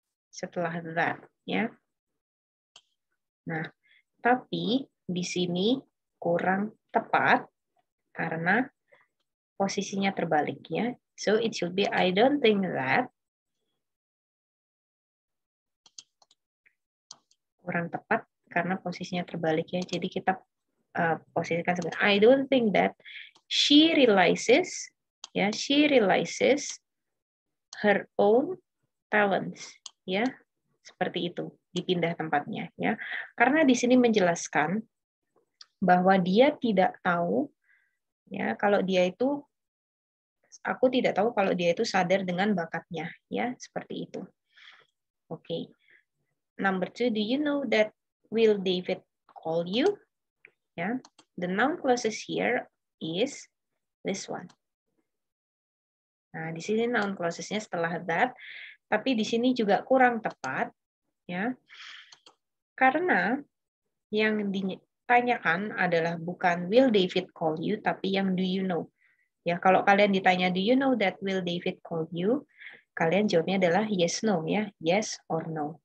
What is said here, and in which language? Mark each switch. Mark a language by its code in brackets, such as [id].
[id] Setelah [en] that, [id] ya. Nah, tapi di sini kurang tepat karena posisinya terbalik ya. [en] So it should be I don't think that. [id] Kurang tepat karena posisinya terbalik ya. Jadi kita posisikan sebagai [en] I don't think that she realizes [id] ya, yeah, [en] she realizes her own talents [id] ya, yeah, seperti itu dipindah tempatnya ya. Yeah. Karena di sini menjelaskan bahwa dia tidak tahu ya, yeah, kalau dia itu aku tidak tahu kalau dia itu sadar dengan bakatnya ya, yeah, seperti itu. Oke. Okay. [en] Number two, do you know that will David call you? Yeah. The noun clauses here is this one. [id] Nah, di sini noun clauses-nya setelah that, tapi di sini juga kurang tepat, ya. Yeah. Karena yang ditanyakan adalah bukan [en] will David call you, [id] tapi yang [en] do you know. [id] Ya, yeah, kalau kalian ditanya [en] do you know that will David call you? [id] Kalian jawabnya adalah [en] yes no [id] ya, [en] yes or no.